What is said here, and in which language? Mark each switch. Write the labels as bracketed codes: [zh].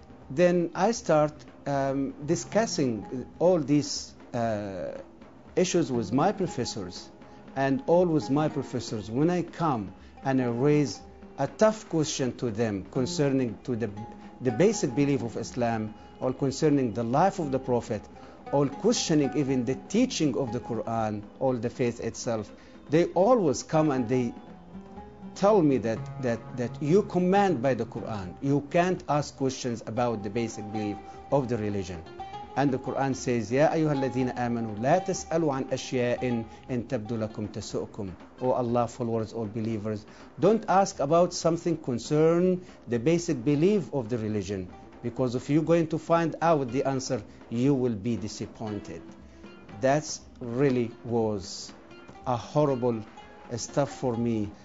[en] Then I start discussing all these issues with my professors, and always my professors, when I come and I raise a tough question to them concerning to the basic belief of Islam, or concerning the life of the Prophet, or questioning even the teaching of the Quran or the faith itself, they always come and they tell me that you command by the Quran. You can't ask questions about the basic belief of the religion. And the Quran says, [ar] يَا أَيُّهَا الَّذِينَ آمَنُوا لَا تَسْأَلُوا عَنْ أَشْيَاءٍ إِنْ تَبْدُوا لَكُمْ تَسُؤْكُمْ. [en] O Allah, followers, all believers, don't ask about something concern the basic belief of the religion, because if you're going to find out the answer, you will be disappointed. That really was a horrible stuff for me.